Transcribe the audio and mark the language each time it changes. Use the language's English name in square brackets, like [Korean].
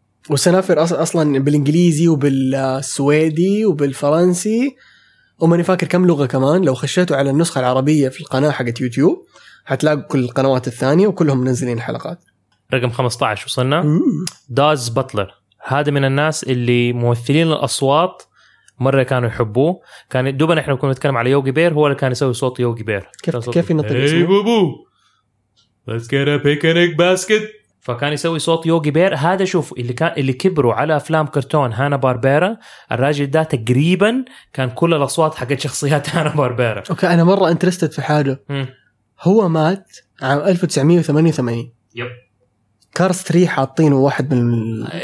[Arabic] والسنافر أصلا بالإنجليزي وبالسويدي وبالفرنسي وماني فاكر كم لغة كمان، لو خشيتوا على النسخة العربية في القناة حقت يوتيوب هتلاقوا كل القنوات الثانية وكلهم منزلين الحلقات. رقم 15 وصلنا. داز بطلر، هذا من الناس اللي ممثلين الأصوات مرة كانوا يحبوه، كان دوبنا احنا كنا نتكلم على يوغي بير، هو اللي كان يسوي صوت يوغي بير. كيف ينطق اسمه؟ [English] Boo Boo Let's get a picnic basket. [Arabic] فكان يسوي صوت يوغي بير. هذا شوف اللي كبروا على افلام كرتون هانا باربيرا، الراجل ده تقريبا كان كل الاصوات حق شخصيات هانا باربيرا. اوكي انا مره انترستد في حاجه. هو مات عام 1988. يب. كارس 3 حاطينه واحد من